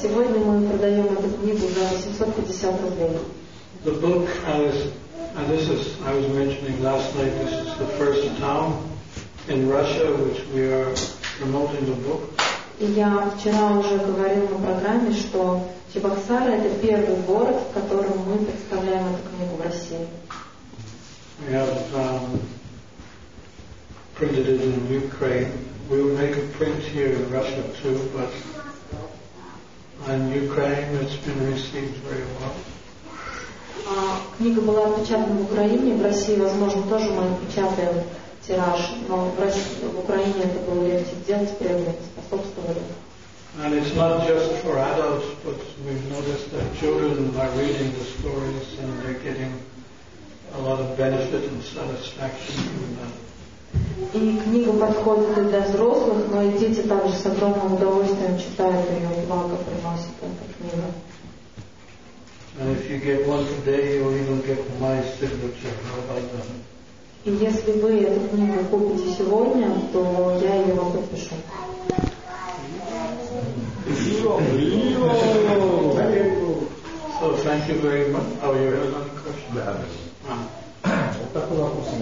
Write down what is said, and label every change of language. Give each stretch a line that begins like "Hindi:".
Russian: Сегодня мы продаем эту книгу за 850 рублей.
English: The book, I was mentioning last night, this is the first town in Russia which we are promoting the book.
Russian: Я вчера уже говорил на программе, что Чебоксары — это первый город, в котором мы представляем эту книгу в России.
English: We have printed it in Ukraine. We will make a print here in Russia too, but in Ukraine it's been received very well.
Russian: Книга была отпечатана в Украине, в России, возможно, тоже мы отпечатаем тираж, но в Украине это было легче делать, первое способствовали.
English: And it's not just for adults, but we've noticed that children are reading the stories and they're getting a lot of benefit and satisfaction from that.
Russian: И книга подходит для взрослых, но и дети также с огромным удовольствием читают ее, благо приносит эта книга.
English: And if you get one today, you'll even get my signature. How about that?
Russian: И если вы эту книгу купите сегодня, то я ее вам подпишу.
English: So thank you very much. Oh, you have another question?
Russian: Yeah. Вот такой вопрос.